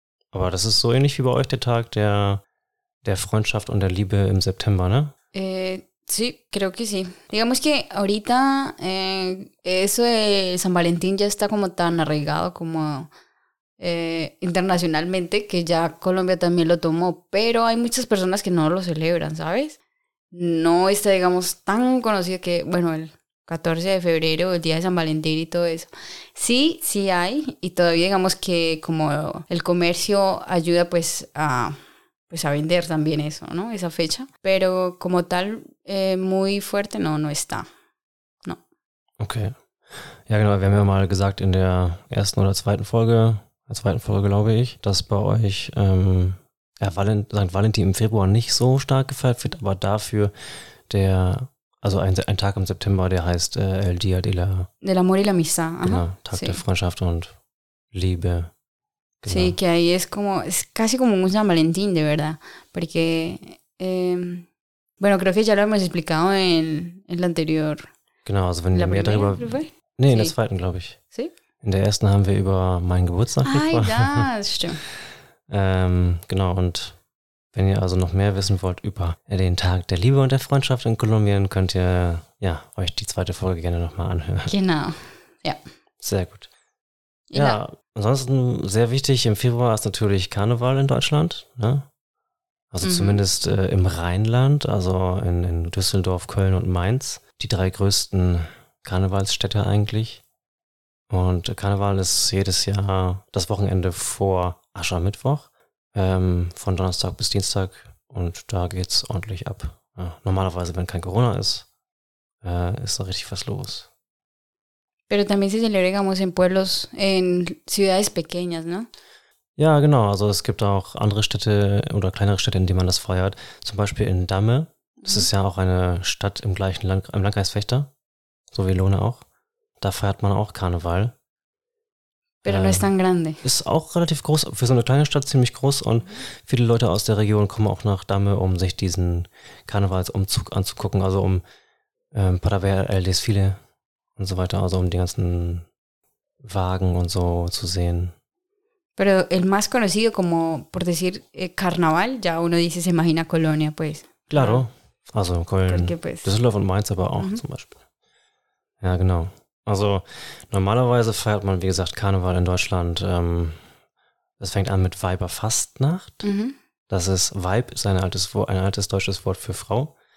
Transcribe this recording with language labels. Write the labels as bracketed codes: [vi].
[de] Aber das ist so ähnlich wie bei euch, der Tag der Freundschaft und der Liebe im September, ne? [es] Sí, creo que sí. Digamos que ahorita eso de San Valentín ya está como tan arraigado como internacionalmente que ya Colombia también lo tomó, pero hay muchas personas que no lo celebran, ¿sabes? No está, digamos, tan conocido que, bueno, el 14 de febrero, el día de San Valentín y todo eso. Sí, sí hay, y todavía digamos que como el comercio ayuda pues a... pues a vender también eso, ¿no? Esa fecha. Pero como tal, muy fuerte, no, no está. No. [de] Okay. Ja, genau. Wir haben ja mal gesagt in der ersten oder zweiten Folge glaube ich, dass bei euch St. Valentin im Februar nicht so stark gefeiert wird, aber dafür der, also ein Tag im September, der heißt [es] El Día de la... Del Amor y la Amistad. [de] Genau, Tag der Freundschaft und Liebe. Genau. [es] Sí, que ahí es como, es casi como un San Valentín, de verdad, porque, bueno, creo que ya lo hemos explicado en la anterior. [de] Genau, also wenn ihr mehr darüber... Nee, sí. In der zweiten, glaube ich. [es] Sí. [de] In der ersten haben wir über meinen Geburtstag gesprochen. Ah, ja, das stimmt. genau, und wenn ihr also noch mehr wissen wollt über den Tag der Liebe und der Freundschaft in Kolumbien, könnt ihr, ja, euch die zweite Folge gerne nochmal anhören. Genau, ja. Sehr gut. Ja. Ansonsten sehr wichtig im Februar ist natürlich Karneval in Deutschland, ne? Also zumindest im Rheinland, also in Düsseldorf, Köln und Mainz, die drei größten Karnevalsstädte eigentlich. Und Karneval ist jedes Jahr das Wochenende vor Aschermittwoch, von Donnerstag bis Dienstag und da geht's ordentlich ab. Ja, normalerweise, wenn kein Corona ist, ist da richtig was los. [es] Pero también se celebra, digamos, en pueblos, en ciudades pequeñas, ¿no? [de] Ja, genau. Also es gibt auch andere Städte oder kleinere Städte, in denen man das feiert. Zum Beispiel in Damme. Das ist ja auch eine Stadt im gleichen im Landkreis Vechta, so wie Lohne auch. Da feiert man auch Karneval. [es] Pero no es tan grande. [de] Ist auch relativ groß, für so eine kleine Stadt ziemlich groß. Und viele Leute aus der Region kommen auch nach Damme, um sich diesen Karnevalsumzug anzugucken. Also um [es] para ver el desfile. [de] Und so weiter, also um die ganzen Wagen und so zu sehen. [es] Pero el más conocido como, por decir, Carnaval, ya uno dice, se imagina Colonia, pues. [de] Claro, also Köln, Düsseldorf und Mainz aber auch zum Beispiel. Ja, genau. Also normalerweise feiert man, wie gesagt, Karneval in Deutschland. Es fängt an mit Weiberfastnacht. Das ist, Weib ist ein altes deutsches Wort für Frau.